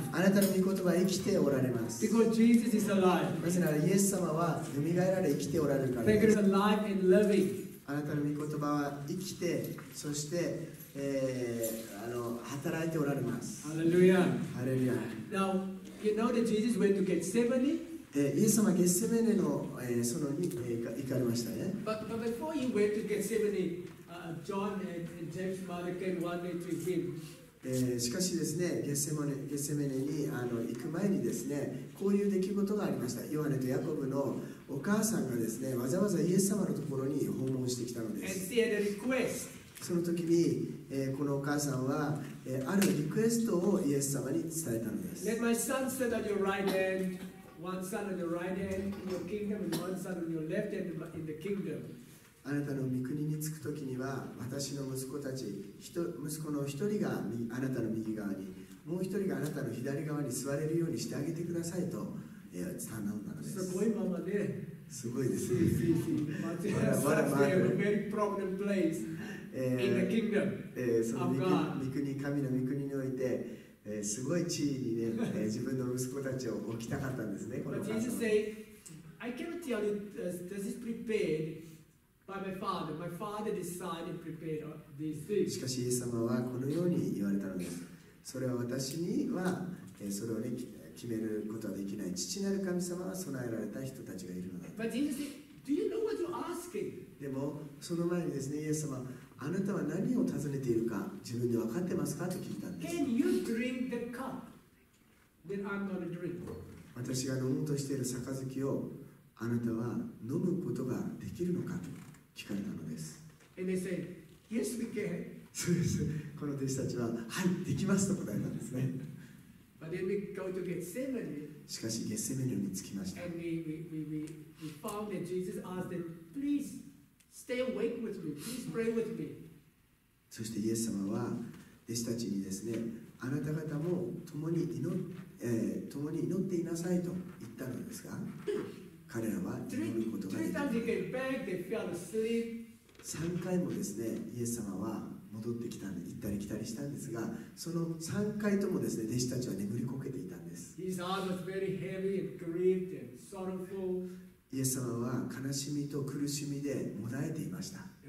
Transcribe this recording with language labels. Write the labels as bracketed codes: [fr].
[ja] あなたの御言葉は生きておられます。 [en] Because Jesus is alive. [ja] なぜならイエス様は蘇られ生きておられるからです。 [en] Thank you for alive and living. [ja] あなたの御言葉は生きて、そして、働いておられます。 [en] Hallelujah. Hallelujah. Now, you know that Jesus went to get 70? [ja] イエス様ゲッセメネの園に行かれましたね。 [en] But before he went to Gethsemane, John and James' mother came running to him. [ja] しかしですね、ゲッセメネに行く前にですね、こういう出来事がありました。ヨハネとヤコブのお母さんがですね、わざわざイエス様のところに訪問してきたのです。 [en] And she had a request. [ja] その時に、このお母さんは、あるリクエストをイエス様に伝えたのです。 [en] Let my son sit at your right hand. One son on your right hand in your kingdom, and one son on your left hand in the kingdom. [ja] あなたの御国に着くときには、私の息子たち、息子の一人があなたの右側に、もう一人があなたの左側に座れるようにしてあげてくださいと頼んだのです。すごいママね。すごいですね。 [en] Very prominent place in the kingdom. [ja] その御国、神の御国において。すごい地位にね、自分の息子たちを置きたかったんですね。 [en] But Jesus said, I cannot tell you this is prepared by my father. My father decided and prepared these things. [ja] しかし、イエス様はこのように言われたのです。それは私には、それを、ね、決めることはできない。父なる神様は備えられた人たちがいるのだ。 [en] But Jesus said, Do you know what you're asking? [ja] でも、その前にですね、イエス様、あなたは何を尋ねているか自分で分かってますかと聞いたんです。 [en] Can you drink the cup that I'm gonna drink? [ja] 私が飲もうとしている杯をあなたは飲むことができるのかと聞かれたのです。 [en] And they said, yes, we can. [ja] そうです。この弟子たちは、はい、できますと答えたんですね。 But then we go to Gethsemane. しかし、ゲッセメネに着きました。 And we found that Jesus asked them, please. Stay awake with me. Please pray with me. そしてイエス様は弟子たちにですね、あなた方も共に祈っていなさいと言ったのですが、彼らは祈ることができない。 3回もですね、イエス様は戻ってきたんで、行ったり来たりしたんですが、その3回ともですね、弟子たちは眠りこけていたんです。 [en] His heart was very heavy and grieved and sorrowful. [ja] イエス様は悲しみと苦しみでもだえていました。